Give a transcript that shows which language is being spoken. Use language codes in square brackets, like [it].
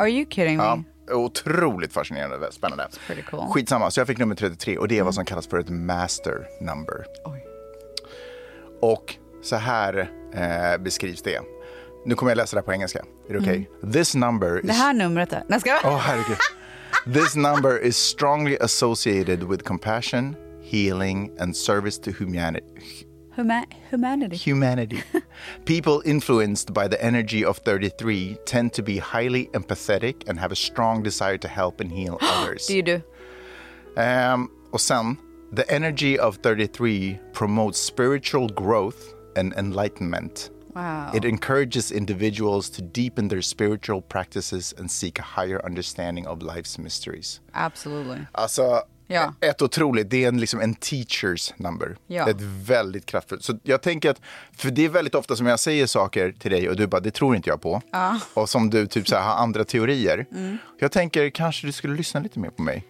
[en] Are you kidding me? [sv] Otroligt fascinerande, spännande. [en] It's pretty cool. [sv] Skitsamma, så jag fick nummer 33 och det är vad som kallas för ett master number. Oj. Och så här beskrivs det. Nu kommer jag läsa det här på engelska. Är det okej? [en] Okay? This number is... [sv] Det här numret är... herregud. [en] This number is strongly associated with compassion, healing and service to humanity. People influenced by the energy of 33 tend to be highly empathetic and have a strong desire to help and heal others. Do you do? [sv] Och sen, [en] the energy of 33 promotes spiritual growth and enlightenment. Wow. It encourages individuals to deepen their spiritual practices and seek a higher understanding of life's mysteries. Absolutely. [sv] Alltså, ett otroligt, det är en [en] teacher's number. [sv] Ja. Ett väldigt kraftfullt. Så jag tänker att, för det är väldigt ofta som jag säger saker till dig och du bara, det tror inte jag på. Ja. Och som du typ så här, har andra teorier. Mm. Jag tänker, kanske du skulle lyssna lite mer på mig.